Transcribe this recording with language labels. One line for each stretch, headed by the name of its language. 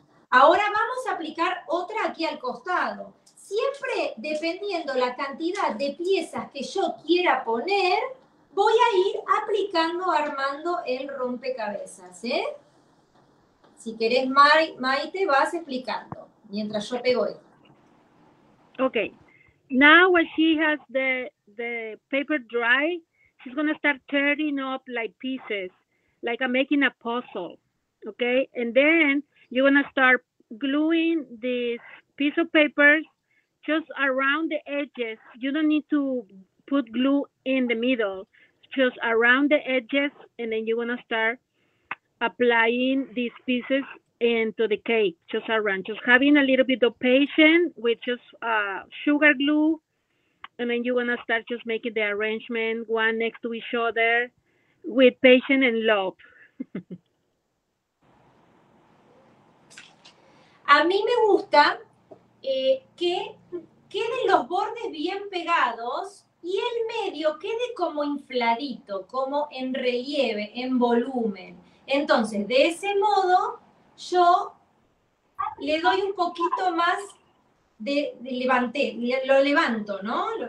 Spanish: Ahora vamos a aplicar otra aquí al costado. Siempre dependiendo la cantidad de piezas que yo quiera poner, Voy a ir aplicando, armando el rompecabezas, ¿eh? Si querés, Maite, vas explicando mientras yo pego esto.
English: Okay. Now when she has the paper dry, she's gonna start tearing up like pieces, like I'm making a puzzle. Okay, and then you're gonna start gluing this piece of paper just around the edges. You don't need to put glue in the middle, just around the edges, and then you're gonna start applying these pieces into the cake, just around, just having a little bit of patience with just sugar glue, and then you're gonna start just making the arrangement one next to each other with patience and love.
Spanish: A mí me gusta que queden los bordes bien pegados y el medio quede como infladito, como en relieve, en volumen. Entonces, de ese modo, yo le doy un poquito más de levanté, lo levanto, ¿no?